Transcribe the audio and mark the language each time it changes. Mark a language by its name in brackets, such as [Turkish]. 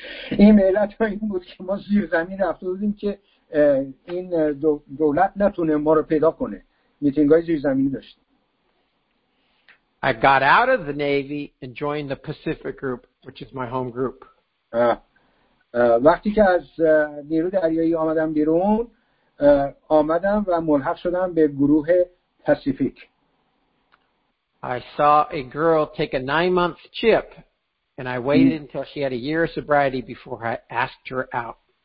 [Persian] این علت این بود که ما زیر زمین رفته بودیم که این دولت نتونه ما رو پیدا کنه. میتینگ‌های زیر زمینی داشتیم. [English] I got out of the Navy and joined the Pacific Group, which is my home group. [Persian] وقتی که از نیروی دریایی آمدم بیرون، آمدم و ملحق شدم به گروه پاسیفیک. [English] I saw a girl take a 9-month chip and I waited until she had a year of sobriety before I asked her out.